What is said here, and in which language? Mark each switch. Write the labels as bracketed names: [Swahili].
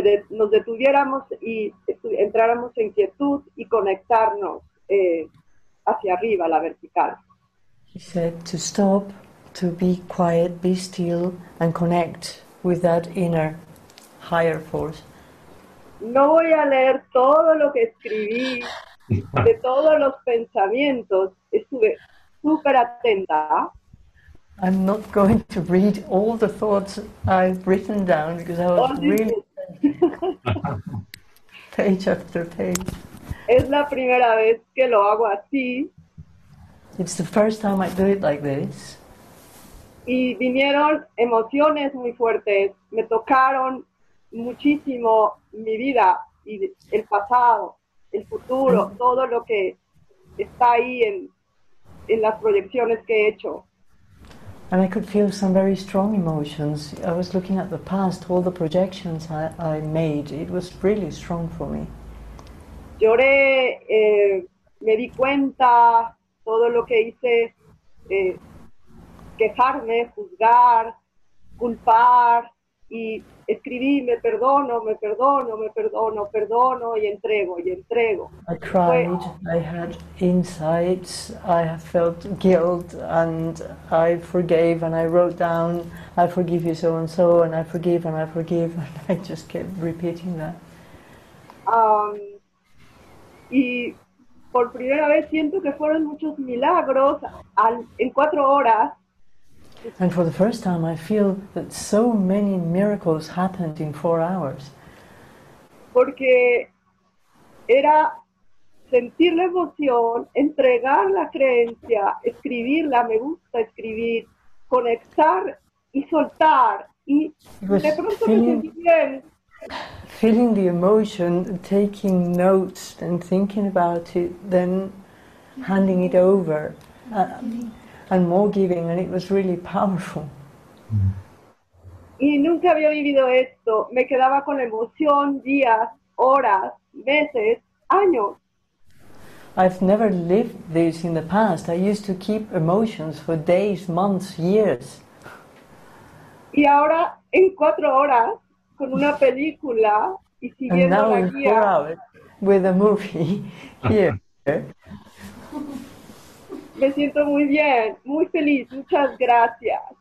[Spanish] Nos detuviéramos y entráramos en quietud y conectarnos hacia arriba, la vertical. [English] He said to stop. To be quiet, be still, and connect with that inner, higher force. [Spanish] No voy a leer todo lo que escribí, de todos los pensamientos. Estuve súper atenta. [English] I'm not going to read all the thoughts I've written down because I was really Page after page. [Spanish] Es la primera vez que lo hago así. [English] It's the first time I do it like this. [Spanish] Y vinieron emociones muy fuertes. Me tocaron muchísimo mi vida y el pasado, el futuro, todo lo que está ahí en las proyecciones que he hecho. [English] And I could feel some very strong emotions. I was looking at the past, all the projections I made. It was really strong for me. [Spanish] Lloré, me di cuenta todo lo que hice, quejarme, juzgar, culpar, y escribí, me perdono, perdono y entrego. [English] I cried, I had insights, I have felt guilt, and I forgave, and I wrote down, I forgive you so and so, and I forgive, and I forgive, and I just kept repeating that. [Spanish] Y por primera vez siento que fueron muchos milagros en 4 horas. [English] And for the first time I feel that so many miracles happened in 4 hours. [Spanish] Porque era sentir la emoción, entregar la creencia, escribirla, me gusta escribir, conectar y soltar. Y de pronto feeling, me sentí bien. [English] Feeling the emotion, taking notes and thinking about it, then handing it over. And more giving, and it was really powerful. [Spanish] Y nunca había vivido esto. Me quedaba con emoción días, horas, meses, años. [English] I've never lived this in the past. I used to keep emotions for days, months, years. [Spanish] Y ahora, en 4 horas, con una película y siguiendo la guía. [English] And now in 4 hours, with a movie here. [Spanish] Me siento muy bien, muy feliz, muchas gracias.